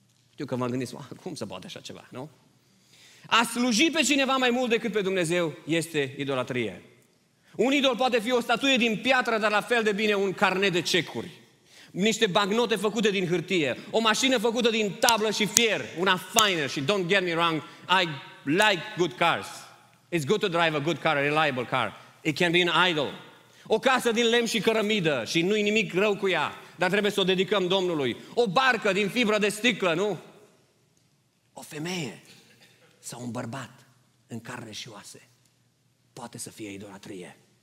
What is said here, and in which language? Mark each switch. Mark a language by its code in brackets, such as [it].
[ro] Știu că v-am gândit, cum se poate așa ceva, nu? A sluji pe cineva mai mult decât pe Dumnezeu este idolatrie. Un idol poate fi o statuie din piatră, dar la fel de bine un carnet de cecuri. Niște bancnote făcute din hârtie. O mașină făcută din tablă și fier. Una faină și [en] don't get me wrong, I like good cars. It's good to drive a good car, a reliable car. It can be an idol. [ro] O casă din lemn și cărămidă și nu-i nimic rău cu ea, dar trebuie să o dedicăm Domnului. O barcă din fibră de sticlă, nu? O femeie sau un bărbat în carne și oase poate să fie idolatrie.